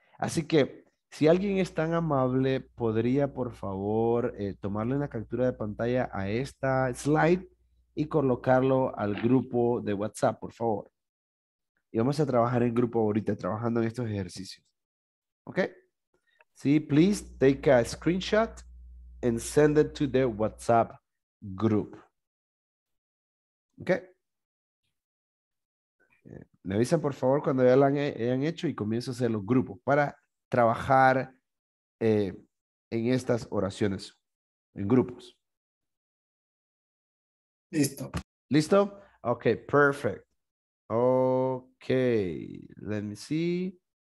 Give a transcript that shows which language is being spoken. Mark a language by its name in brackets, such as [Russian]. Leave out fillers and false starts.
[Spanish] Así que, si alguien es tan amable, podría, por favor, tomarle una captura de pantalla a esta slide y colocarlo al grupo de WhatsApp, por favor. Y vamos a trabajar en grupo ahorita, trabajando en estos ejercicios. ¿Ok? [English] Sí, please take a screenshot and send it to the WhatsApp group. ¿Ok? [Spanish] Me avisan, por favor, cuando ya lo hayan hecho y comienzo a hacer los grupos para trabajar en estas oraciones, en grupos. Listo. [English] ¿Listo? Ok, perfect. Okay, let me see.